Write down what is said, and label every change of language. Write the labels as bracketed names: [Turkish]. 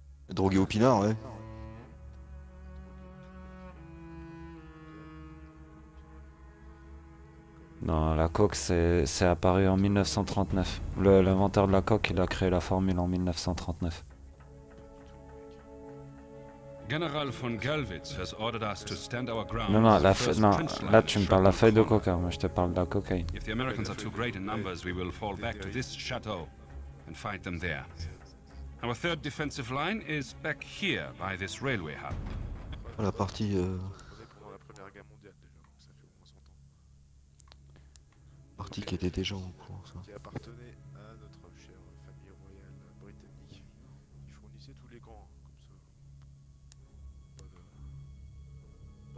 [French] Drogué au pinard, ouais. Non, la coke c'est apparu en 1939. L'inventeur de la coke, il a créé la formule en 1939. [English] General von Galwitz has ordered us to stand our ground. [French] Non, là tu me parles de la feuille de coca, moi je te parle de la cocaïne. [English] If the Americans are too great in numbers, we will fall back to this chateau and fight them there. Our third defensive line is back here by this railway hub. [French] La partie qui était déjà en cours, ça. Qui appartenait à notre chère famille royale britannique. Ils fournissaient tous les grands, comme ça.